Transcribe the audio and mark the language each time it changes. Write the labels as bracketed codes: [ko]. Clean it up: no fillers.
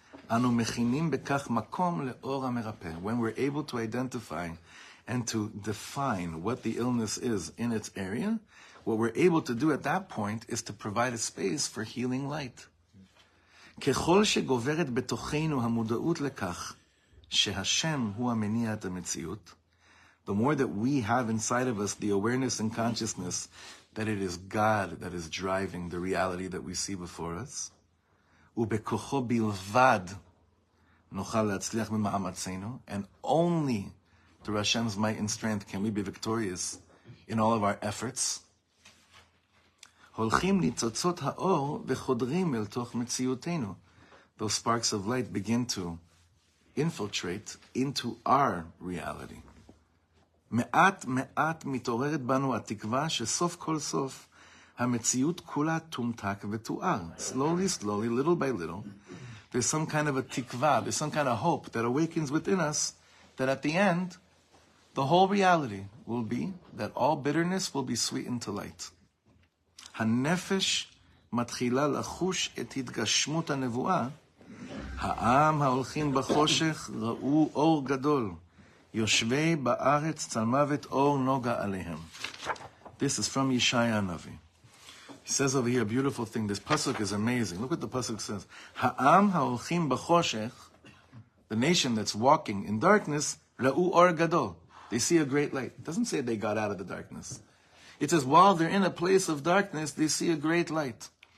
[he] אנו מכינים בכך מקום לאור המרפא. [en] When we're able to identify and to define what the illness is in its area, what we're able to do at that point is to provide a space for healing light. [he] ככל שגוברת בתוכנו המודעות לכך שהשם הוא המניע את המציאות, [en] the more that we have inside of us the awareness and consciousness that it is God that is driving the reality that we see before us, [he] ובכוחו בלבד נוכל להצליח במאמצנו, [en] and only through Hashem's might and strength can we be victorious in all of our efforts, [he] הולכים ניצוצות האור וחודרים אל תוך מציאותנו. [en] Those sparks of light begin to infiltrate into our reality. [he] מעט מעט מתעוררת בנו התקווה שסוף כל סוף המציאות כולה תומתק ותואר. [en] Slowly, slowly, little by little, there's some kind of a תקווה, there's some kind of hope that awakens within us that at the end, the whole reality will be that all bitterness will be sweetened to light. [he] הנפש מתחילה לחוש את התגשמות הנבואה. העם ההולכים בחושך ראו אור גדול. יושבי בארץ צלמוות אור נוגע עליהם. [en] This is from Yeshaya Navi. He says over here a beautiful thing. This pasuk is amazing. Look what the pasuk says. [he] העם ההולכים בחושך, [en] the nation that's walking in darkness, [he] ראו אור גדול. [en] They see a great light. It doesn't say they got out of the darkness. It says, while they're in a place of darkness, they see a great light.